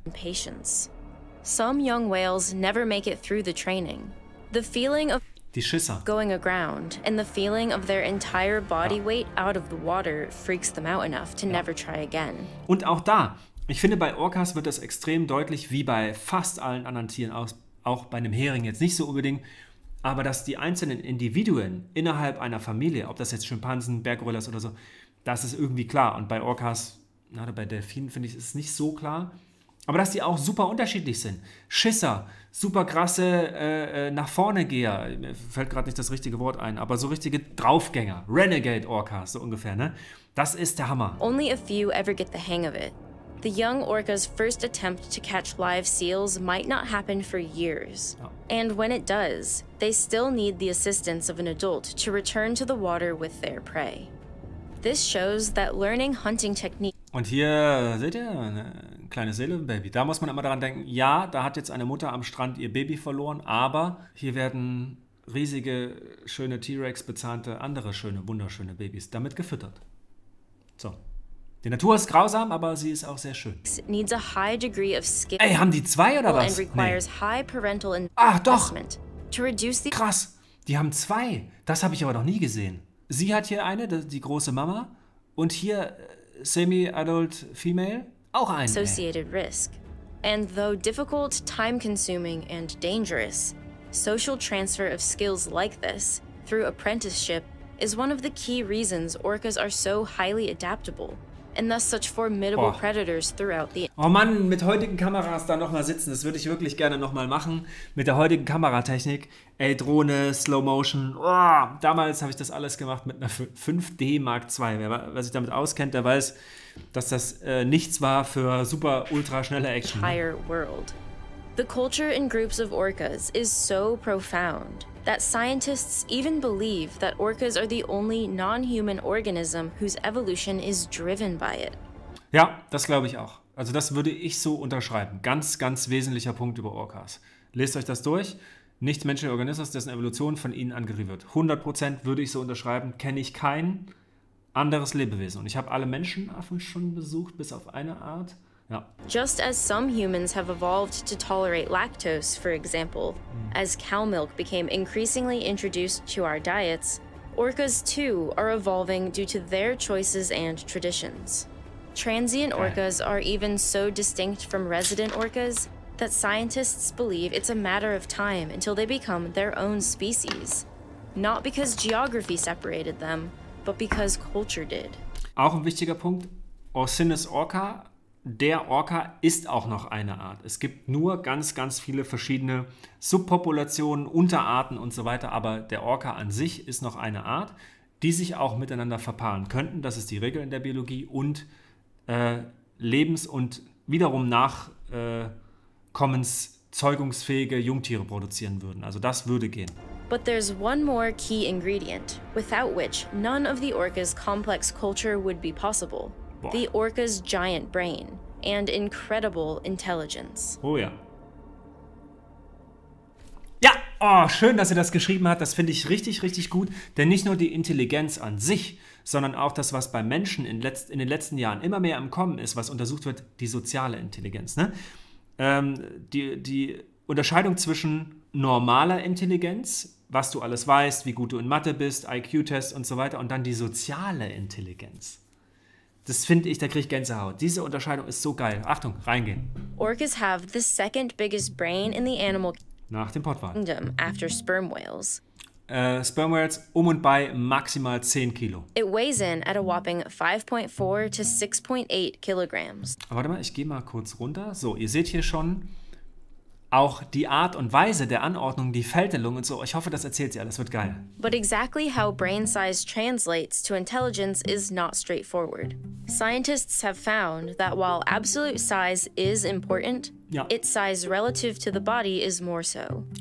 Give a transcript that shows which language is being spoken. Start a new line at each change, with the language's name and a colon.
English: Patience. Some young whales never make it through the training. The feeling of
German: Die Schisser.
English: Going aground and the feeling of their entire body weight out of the water freaks them out enough to never try again.
German: Und auch da, ich finde, bei Orcas wird das extrem deutlich, wie bei fast allen anderen Tieren, auch bei einem Hering jetzt nicht so unbedingt, aber dass die einzelnen Individuen innerhalb einer Familie, ob das jetzt Schimpansen, Berggorillas oder so, das ist irgendwie klar. Und bei Orcas, oder bei Delfinen, finde ich, ist es nicht so klar. Aber dass die auch super unterschiedlich sind. Schisser, super krasse nach vorne Geher, mir fällt gerade nicht das richtige Wort ein, aber so richtige Draufgänger,
English: Renegade Orcas,
German: so ungefähr, ne? Das ist der Hammer.
English: Only a few ever get the hang of it. The young orca's first attempt to catch live seals might not happen for years. And when it does, they still need the assistance of an adult to return to the water with their prey. This shows that learning hunting technique.
German: Und hier seht ihr eine kleine Seele, ein Baby. Da muss man immer daran denken, ja, da hat jetzt eine Mutter am Strand ihr Baby verloren, aber hier werden riesige, schöne T-Rex bezahnte, andere schöne, wunderschöne Babys damit gefüttert. So. Die Natur ist grausam, aber sie ist auch sehr schön.
English: Needs a high degree of skill.
German: Ey, haben die zwei oder was?
English: And requires high parental investment to reduce the.
German: Krass, die haben zwei. Das habe ich aber noch nie gesehen. Sie hat hier eine, die große Mama. Und hier
English: semi-adult female,
German: auch eine.
English: Associated risk. And though difficult, time-consuming and dangerous, social transfer of skills like this through apprenticeship is one of the key reasons orcas are so highly adaptable. And thus such formidable predators throughout the.
German: Oh Mann, mit heutigen Kameras da nochmal sitzen, das würde ich wirklich gerne nochmal machen. Mit der heutigen Kameratechnik. Ey, Drohne, Slow Motion. Oh, damals habe ich das alles gemacht mit einer 5D Mark II. Wer sich damit auskennt, der weiß, dass das nichts war für super ultraschnelle Action.
English: Entire world. The culture in groups of orcas is so profound that scientists even believe that orcas are the only non-human organism whose evolution is driven by it.
German: Ja, das glaube ich auch. Also das würde ich so unterschreiben. Ganz, ganz wesentlicher Punkt über Orcas. Lest euch das durch. Nicht menschlicher Organismus, dessen Evolution von ihnen angeregt wird. 100% würde ich so unterschreiben. Kenne ich kein anderes Lebewesen. Und ich habe alle Menschenaffen schon besucht, bis auf eine Art. Ja.
English: Just as some humans have evolved to tolerate lactose, for example, as cow milk became increasingly introduced to our diets, orcas too are evolving due to their choices and traditions. Transient orcas are even so distinct from resident orcas that scientists believe it's a matter of time until they become their own species. Not because geography separated them, but because culture did.
German: Auch ein wichtiger Punkt, Orcinus orca. Der Orca ist auch noch eine Art. Es gibt nur ganz, ganz viele verschiedene Subpopulationen, Unterarten und so weiter. Aber der Orca an sich ist noch eine Art, die sich auch miteinander verpaaren könnten. Das ist die Regel in der Biologie. Und Lebens- und wiederum nachkommenszeugungsfähige Jungtiere produzieren würden. Also das würde gehen.
English: But there's one more key ingredient, without which none of the Orca's complex culture would be possible. The orca's giant brain and incredible intelligence.
German: Oh ja. Ja, oh, schön, dass er das geschrieben hat. Das finde ich richtig, richtig gut. Denn nicht nur die Intelligenz an sich, sondern auch das, was bei Menschen in den letzten Jahren immer mehr im Kommen ist, was untersucht wird, die soziale Intelligenz. Ne? die Unterscheidung zwischen normaler Intelligenz, was du alles weißt, wie gut du in Mathe bist, IQ-Test und so weiter, und dann die soziale Intelligenz. Das finde ich, da kriege ich Gänsehaut. Diese Unterscheidung ist so geil. Achtung, reingehen.
English: Orcas have the second biggest brain in the animal
German: nach dem Pottwal.
English: After sperm whales. Sperm whales
German: um und bei maximal 10 Kilo.
English: It weighs in at a whopping 5.4 to 6.8 kilograms.
German: Aber warte mal, ich gehe mal kurz runter. So, ihr seht hier schon auch die Art und Weise der Anordnung, die Fältelung und so. Ich hoffe, das erzählt sie alles. Wird geil.
English: But exactly how brain size translates to intelligence is not straightforward. Scientists have found that while absolute size is important,
German: ja,
English: its size relative to the body is more so.